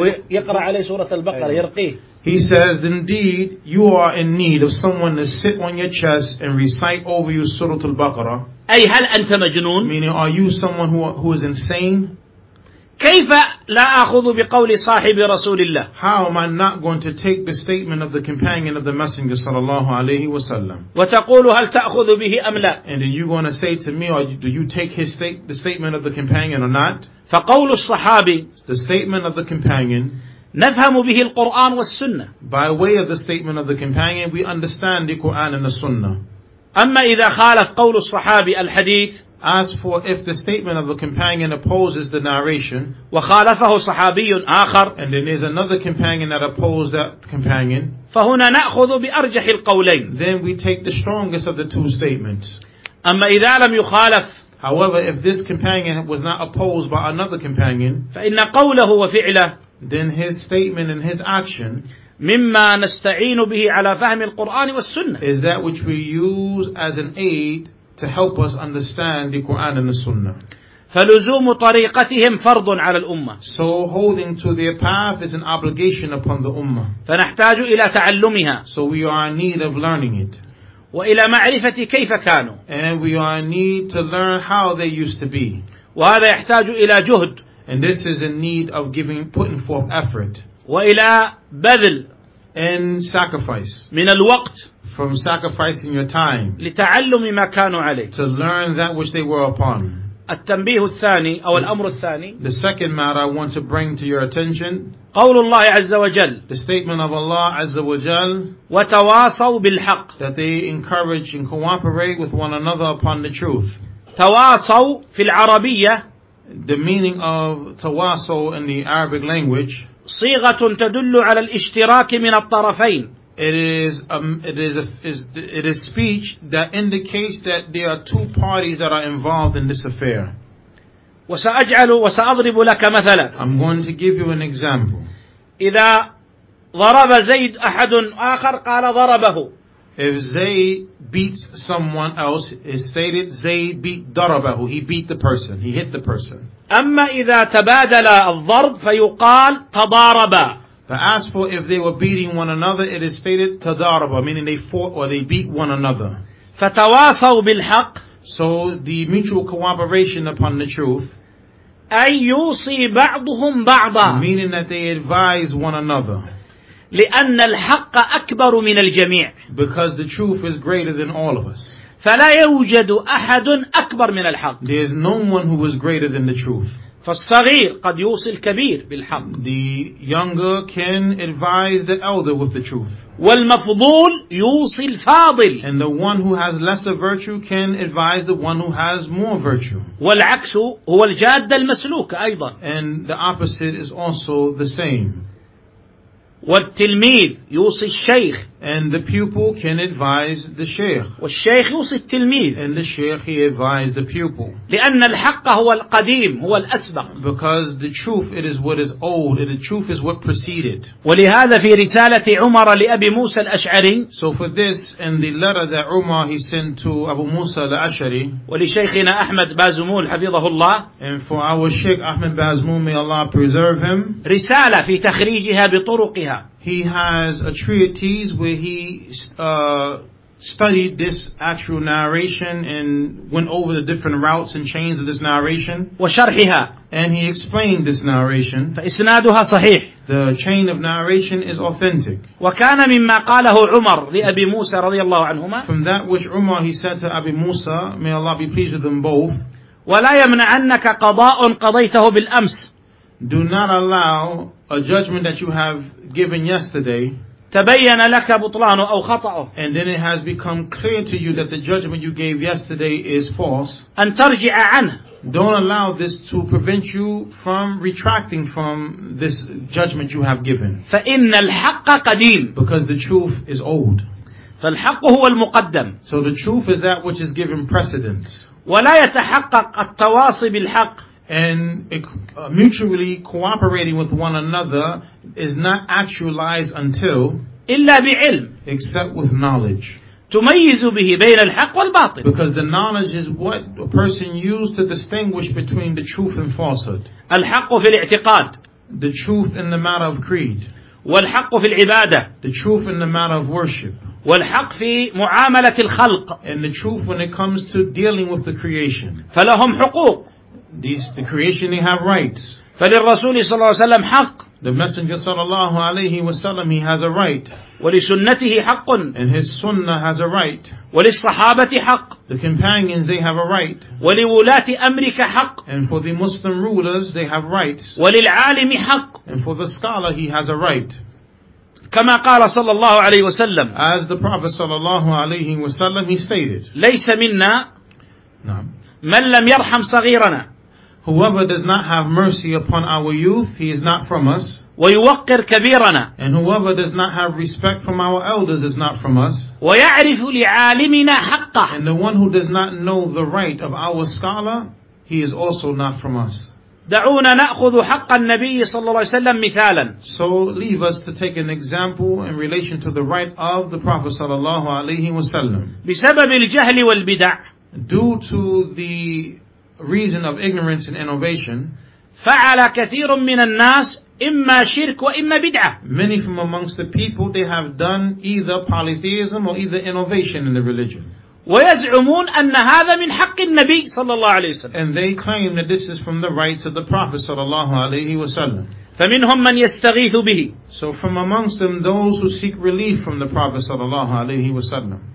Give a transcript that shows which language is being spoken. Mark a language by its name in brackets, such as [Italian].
[Arabic] يقرأ عليه سورة البقرة يرقيه. [English] He says, indeed, you are in need of someone to sit on your chest and recite over you سورة البقرة. [Arabic] أي هل أنت مجنون؟ [English] Meaning, are you someone who is insane? [Arabic] كيف لا أخذ بقول صاحب رسول الله؟ [English] How am I not going to take the statement of the companion of the messenger [Arabic] صلى الله عليه وسلم؟ وتقول هل تأخذ به أم لا؟ [English] And are you going to say to me, or do you take his state, the statement of the companion or not? [Arabic] فقول الصحابي. [English] The statement of the companion. [Arabic] نفهم به القرآن والسنة. [English] By way of the statement of the companion, we understand the Quran and the Sunnah. [Arabic] أما إذا خالف قول الصحابي الحديث. [English] As for if the statement of a companion opposes the narration, [Arabic] وخالفه صحابي آخر, [English] and then there's another companion that opposed that companion, [Arabic] فهنا نأخذ بأرجح القولين. [English] Then we take the strongest of the two statements. [Arabic] أما إذا لم يخالف, [English] however, if this companion was not opposed by another companion, [Arabic] فإن قوله وفعله, [English] then his statement and his action, [Arabic] مما نستعين به على فهم القرآن والسنة, [English] is that which we use as an aid to help us understand the Quran and the Sunnah. [Arabic] فلزوم طريقتهم فرض على الأمة. [English] So holding to their path is an obligation upon the Ummah. [Arabic] فنحتاج إلى تعلمها. [English] So we are in need of learning it. [Arabic] وإلى معرفة كيف كانوا. [English] And we are in need to learn how they used to be. [Arabic] وهذا يحتاج إلى جهد. [English] And this is in need of giving, putting forth effort. [Arabic] وإلى بذل. [English] And sacrifice. [Arabic] من الوقت. [English] From sacrificing your time. [Arabic] لتعلم ما كانوا عليه. [English] To learn that which they were upon. [Arabic] التنبيه الثاني أو الأمر الثاني. [English] The second matter I want to bring to your attention. [Arabic] قول الله عز وجل. [English] The statement of Allah [Arabic] عز وجل. وتواصوا بالحق. [English] That they encourage and cooperate with one another upon the truth. [Arabic] تواصوا في العربية. [English] The meaning of تواصوا in the Arabic language. [Arabic] صيغة تدل على الاشتراك من الطرفين. [English] It is speech that indicates that there are two parties that are involved in this affair. [Arabic] وسأجعل وسأضرب لك مثلا. [English] I'm going to give you an example. [Arabic] إذا ضرب زيد أحد آخر قال ضربه. [English] If Zayd beats someone else, it's stated Zayd beat ضربه. He beat the person. He hit the person. [Arabic] أما إذا تبادل الضرب فيقال تضارب. [English] But as for if they were beating one another, it is stated تضارب, meaning they fought or they beat one another. [Arabic] فتواصوا بالحق. [English] So the mutual cooperation upon the truth. [Arabic] أن يوصي بعضهم بعضا. [English] Meaning that they advise one another. [Arabic] لأن الحق أكبر من الجميع. [English] Because the truth is greater than all of us. [Arabic] فلا يوجد أحد أكبر من الحق. [English] There is no one who is greater than the truth. [Arabic] فالصغير قد يوصي الكبير بالحق. [English] The younger can advise the elder with the truth. [Arabic] والمفضول يوصي الفاضل. [English] And the one who has lesser virtue can advise the one who has more virtue. [Arabic] والعكس هو الجاد المسلوك أيضا. [English] And the opposite is also the same. [Arabic] والتلميذ يوصي الشيخ. [English] And the pupil can advise the sheikh. [Arabic] والشيخ يوصي التلميذ. [English] And the sheikh, he advised the pupil. [Arabic] لأن الحق هو القديم هو الأسبق. [English] Because the truth, it is what is old, and the truth is what preceded. [Arabic] ولهذا في رسالة عمر لأبي موسى الأشعري. [English] So for this, in the letter that Umar he sent to Abu Musa al-Ash'ari. [Arabic] ولشيخنا أحمد بازمول حفظه الله. [English] And for our Sheikh Ahmed Bazmoul, may Allah preserve him. [Arabic] رسالة في تخريجها بطرقها. [English] He has a treatise where he studied this actual narration and went over the different routes and chains of this narration. [Arabic] وشرحها. [English] And he explained this narration. [Arabic] فإسنادها صحيح. [English] the chain of narration is authentic. [Arabic] وكان مما قاله عمر لأبي موسى رضي الله عنهما. [English] From that which Umar he said to Abi Musa, may Allah be pleased with them both. [Arabic] ولا يمنعنك قضاء قضيته بالأمس. [English] Do not allow a judgment that you have given yesterday. [Arabic] تبين لك بطلانه أو خطأه. [English] And then it has become clear to you that the judgment you gave yesterday is false. [Arabic] أن ترجع عنه. [English] Don't allow this to prevent you from retracting from this judgment you have given. [Arabic] فإن الحق قديم. [English] Because the truth is old. [Arabic] فالحق هو المقدم. [English] So the truth is that which is given precedence. [Arabic] ولا يتحقق التواصي بالحق. [English] And mutually cooperating with one another is not actualized until [Arabic] إلا بعلم. [English] Except with knowledge. [Arabic] تميز به بين الحق والباطل. [English] Because the knowledge is what a person used to distinguish between the truth and falsehood. [Arabic] الحق في الاعتقاد. [English] The truth in the matter of creed. [Arabic] والحق في العبادة. [English] The truth in the matter of worship. [Arabic] والحق في معاملة الخلق. [English] And the truth when it comes to dealing with the creation. [Arabic] فلهم حقوق. [English] The creation they have rights. [Arabic] فللرسول صلى الله عليه وسلم حق. [English] The Messenger [Arabic] صلى الله عليه وسلم [English] he has a right. [Arabic] ولسنته حق. [English] And his sunnah has a right. [Arabic] وللصحابة حق. [English] The companions they have a right. [Arabic] ولولاة أمرك حق. [English] And for the Muslim rulers they have rights. [Arabic] وللعالم حق. [English] And for the scholar he has a right. [Arabic] كما قال صلى الله عليه وسلم. [English] As the Prophet [Arabic] صلى الله عليه وسلم [English] he stated. [Arabic] ليس منا. نعم. من لم يرحم صغيرنا. [English] Whoever does not have mercy upon our youth, he is not from us. [Arabic] ويوقر كبيرنا. [English] And whoever does not have respect from our elders is not from us. [Arabic] ويعرف لعالمنا حقه. [English] And the one who does not know the right of our scholar, he is also not from us. [Arabic] دعونا نأخذ حق النبي صلى الله عليه وسلم مثالا. [English] So leave us to take an example in relation to the right of the Prophet [Arabic] صلى الله عليه وسلم. بسبب الجهل والبدع. [English] Due to the reason of ignorance and innovation. [Arabic] فعل كثير من الناس إما شرك وإما بدعة. [English] Many from amongst the people they have done either polytheism or either innovation in the religion. [Arabic] ويزعمون أن هذا من حق النبي صلى الله عليه وسلم. [English] And they claim that this is from the rights of the Prophet [Arabic] صلى الله عليه وسلم. فمنهم من يستغيث به. [English] So from amongst them those who seek relief from the Prophet [Arabic] صلى الله عليه وسلم.